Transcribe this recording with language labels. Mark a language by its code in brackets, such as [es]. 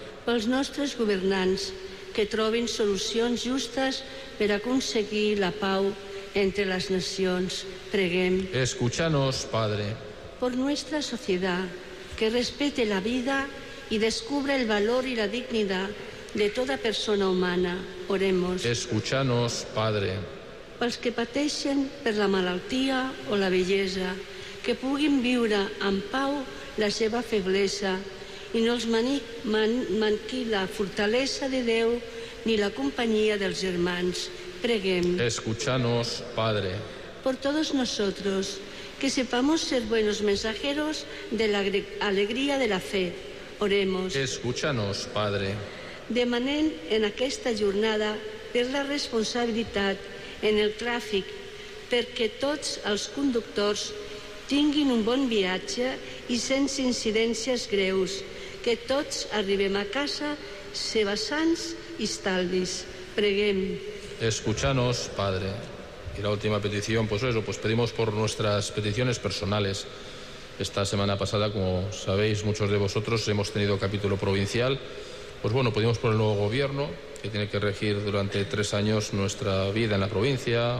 [ca] Pels nostres governants, que trobin solucions justes per aconseguir la pau entre les nacions. Preguem. [es] Escúchanos, Padre. Por nuestra sociedad, que respete la vida y descubra el valor y la dignidad de toda persona humana. Oremos. Escúchanos, Padre. [ca] Pels que pateixen per la malaltia o la vellesa, que puguin viure en pau la seva feblesa i no els manqui la fortalesa de Déu ni la companyia dels germans. Preguem. [es] Escúchanos, Padre. Por todos nosotros, que sepamos ser buenos mensajeros de la alegría de la fe. Oremos. Escúchanos, Padre. [ca] Demanem en aquesta jornada per la responsabilitat en el tràfic, perquè tots els conductors tinguin un bon viatge i sense incidències greus, que tots arribem a casa sebassans i estalvis. Preguem. [es] Escúchanos, Padre. Y la última petición, pues eso, pues pedimos por nuestras peticiones personales. Esta semana pasada, como sabéis muchos de vosotros, hemos tenido capítulo provincial. Pues bueno, pedimos por el nuevo gobierno, que tiene que regir durante 3 años nuestra vida en la provincia.